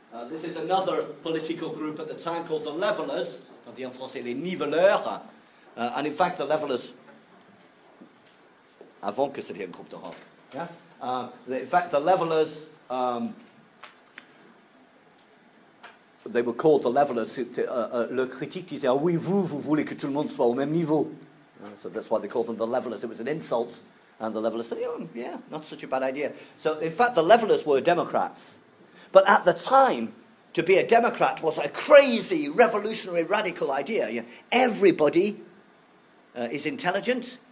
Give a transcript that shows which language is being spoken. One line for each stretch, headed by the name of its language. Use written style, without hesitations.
English: This is another political group at the time called the Levellers.
French: On dit en français les niveleurs.
English: And in fact, the levelers,
French: avant que c'était un groupe de rock.
English: Yeah. In fact, the levelers, they were called the levelers.
French: Le critique disait, ah oui, vous voulez que tout le monde soit au même niveau.
English: So that's why they called them the levelers. It was an insult. And the levelers said, oh, yeah, not such a bad idea. So in fact, the levelers were Democrats. But at the time, to be a Democrat was a crazy, revolutionary, radical idea. You know, everybody is intelligent.